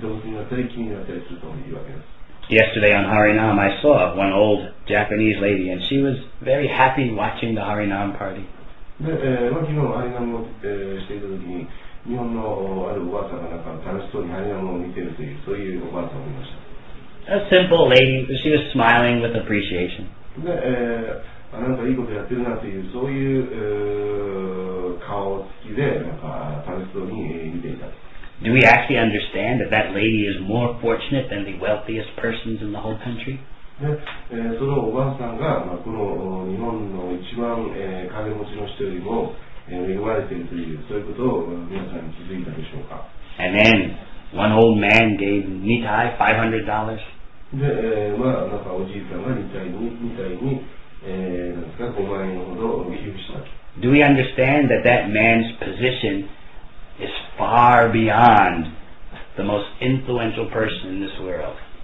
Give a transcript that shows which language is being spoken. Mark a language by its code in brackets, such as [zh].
[en] Yesterday on Harinam, I saw one old Japanese lady, and she was very happy watching the Harinam party. A simple lady, she was smiling with appreciation. [ja] あ、なんかいいことやってるなっていう、そういう、顔つきで、なんか楽しそうに見ていた。 [en] Do we actually understand that that lady is more fortunate than the wealthiest persons in the whole country? [ja] で、そのおばあさんが、まあ、この日本の一番、金持ちの人よりも、恵まれているという、そういうことを皆さんに気づいたでしょうか。 [en] And then, one old man gave Nitai $500. [ja] で、まあ、なんかおじいさんが2体に、 [en] Do we understand that that man's position is far beyond the most influential person in this world?